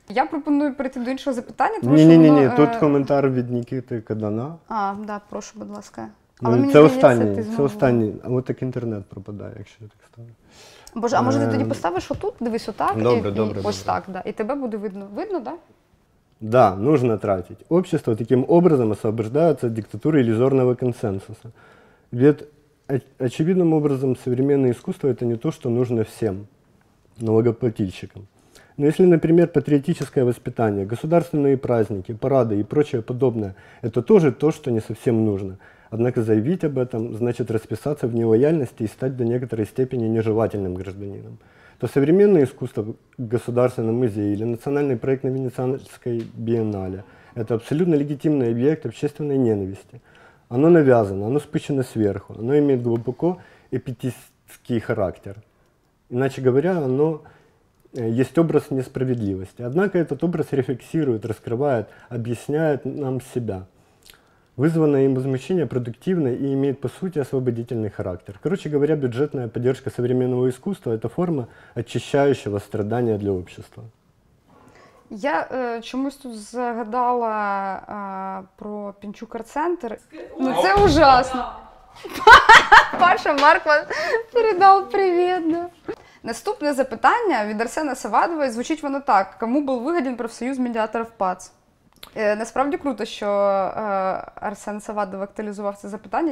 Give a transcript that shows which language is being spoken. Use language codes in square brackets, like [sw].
[uk] Я пропоную перейти до іншого запитання. Ні, тут коментар від Нікити Кадана. А, да, прошу, будь ласка. Але це останній, а от так інтернет пропадає, якщо я так ставлю. Боже, а може ти тоді поставиш отут, дивись отак, добре. Так, да. І тебе буде видно. Видно, так? Да? [ru] Да, нужно тратить. Общество таким образом освобождается от диктатуры иллюзорного консенсуса. Ведь очевидным образом современное искусство – это не то, что нужно всем налогоплательщикам. Но если, например, патриотическое воспитание, государственные праздники, парады и прочее подобное – это тоже то, что не совсем нужно. Однако заявить об этом – значит расписаться в нелояльности и стать до некоторой степени нежелательным гражданином. То современное искусство в государственном музее или национальный проект на Венецианской биеннале – это абсолютно легитимный объект общественной ненависти. Оно навязано, оно спущено сверху, оно имеет глубоко эпитетский характер. Иначе говоря, оно есть образ несправедливости. Однако этот образ рефлексирует, раскрывает, объясняет нам себя. Вызванное им возмущение продуктивно и имеет, по сути, освободительный характер. Короче говоря, бюджетная поддержка современного искусства – это форма очищающего страдания для общества. [uk] Я чомусь тут загадала про Пінчук-арт-центр. Ну це ужасно. Паша Марква передав привіт. Наступне запитання від Арсена Савадова. Звучить воно так. Кому був вигоден профсоюз медіаторів ПАЦ? Насправді круто, що Арсен Савадов актуалізував це запитання.